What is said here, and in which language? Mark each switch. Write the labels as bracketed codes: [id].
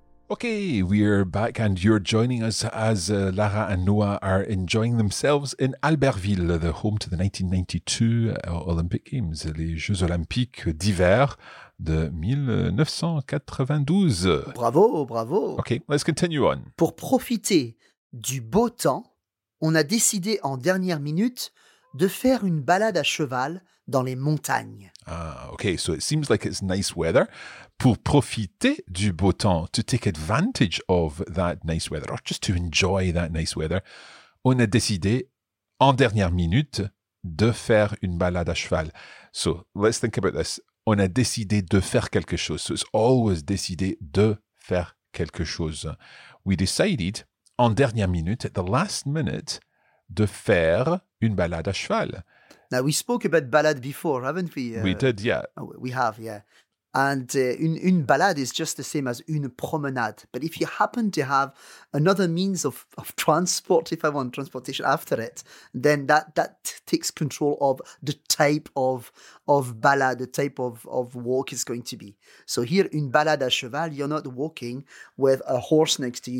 [en] Okay, we're back and you're joining us as Lara and Noah are enjoying themselves in Albertville, the home to the 1992 Olympic Games, [fr] les Jeux Olympiques d'hiver de 1992. Bravo, bravo. [en] Okay, let's continue on. [fr] Pour profiter du beau temps, on a décidé en dernière minute de faire une balade à cheval dans les montagnes. [en] Ah, okay, so it seems like it's nice weather. [fr] Pour profiter du beau temps, [en] to take advantage of that nice weather, [fr] or just to enjoy that nice weather, on a décidé, en dernière minute, de faire une balade à cheval. [en] So, let's think about this. [fr] On a décidé de faire quelque chose. [en] So, it's always [fr] décidé de faire quelque chose. [en] We decided, en dernière minute, at the last minute, [fr] de faire une balade à cheval. [en] Now, we spoke about balade before, haven't we? We did, yeah. We have, yeah. And une balade is just the same as une promenade. But if you happen to have another means of transport, if I want transportation after it, then that takes control of the type of balade, the type of walk it's going to be. So here, [fr] une balade à cheval, [en] you're not walking with a horse next to you.